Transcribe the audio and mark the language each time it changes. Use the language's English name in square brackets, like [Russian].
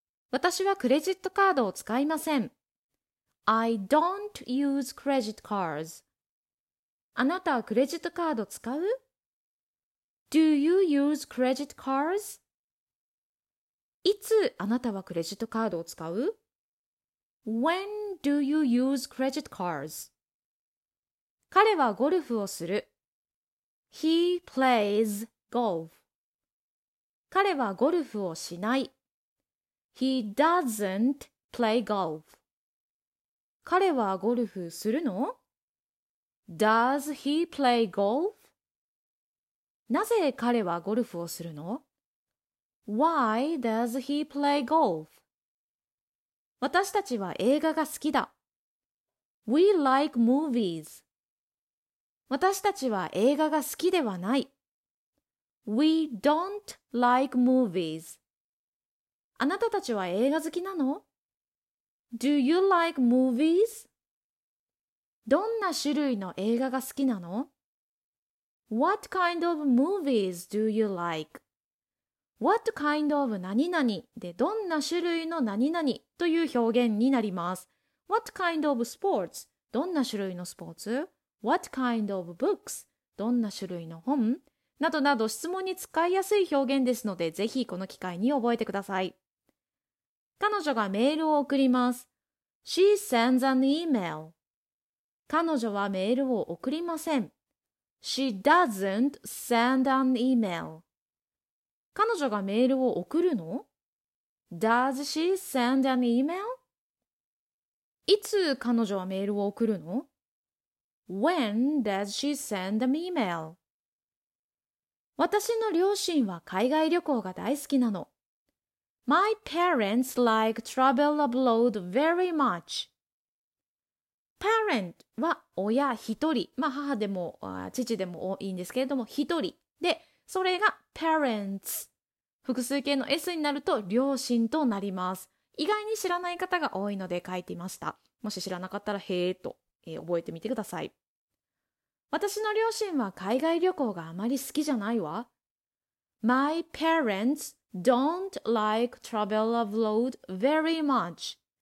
[Japanese] 私はクレジットカードを使いません。 [English] I don't use credit cards. [Japanese] あなたはクレジットカード使う? [English] Do you use credit cards? [Japanese] いつあなたはクレジットカードを使う? [English] When do you use credit cards? [Japanese] 彼はゴルフをする。 [English] He plays golf. [Japanese] 彼はゴルフをしない。 [English] He doesn't play golf. [Japanese] 彼はゴルフするの? [English] Does he play golf? [Japanese] なぜ彼はゴルフをするの? [English] Why does he play golf? [Japanese] 私たちは映画が好きだ。 [English] We like movies. [Japanese] 私たちは映画が好きではない。 [English] We don't like movies. [Japanese] あなたたちは映画好きなの? [English] Do you like movies? [Japanese] どんな種類の映画が好きなの? [English] What kind of movies do you like? What kind of [Japanese] 何々でどんな種類の何々という表現になります。 [English] What kind of sports? [Japanese] どんな種類のスポーツ [English] ?What kind of books? [Japanese] どんな種類の本などなど質問に使いやすい表現ですので、ぜひこの機会に覚えてください。彼女がメールを送ります。 [English] She sends an email. [Japanese] 彼女はメールを送りません。 [English] She doesn't send an email. [Japanese] 彼女がメールを送るの? [English] Does she send an email? [Japanese] いつ彼女はメールを送るの? [English] When does she send an email? [Japanese] 私の両親は海外旅行が大好きなの。 [English] My parents like travel abroad very much. [Japanese] Parent は親一人。まあ母でも父でもいいんですけれども、一人。で、それが parents。複数形の S になると両親となります。意外に知らない方が多いので書いてみました。もし知らなかったらへーと、覚えてみてください。私の両親は海外旅行があまり好きじゃないわ。 [English] My parents don't like travel abroad very much.